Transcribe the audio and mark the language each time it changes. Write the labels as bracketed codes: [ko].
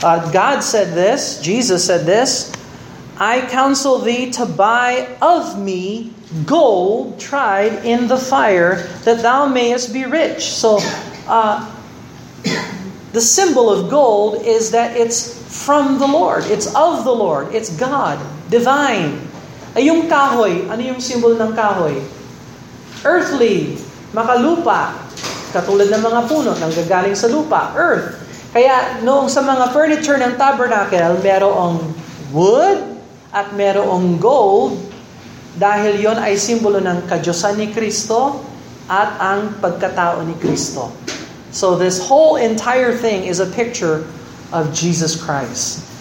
[en] God said this, Jesus said this, I counsel thee to buy of me gold tried in the fire that thou mayest be rich. So, the symbol of gold is that it's from the Lord. It's of the Lord. It's God. Divine. [tl] Yung kahoy, ano yung symbol ng kahoy? Earthly. Makalupa. Katulad ng mga puno nang gagaling sa lupa, earth. Kaya noong sa mga furniture ng tabernacle, merong wood at merong gold dahil yon ay simbolo ng kadyosan ni Kristo at ang pagkatao ni Kristo. [en] So this whole entire thing is a picture of Jesus Christ.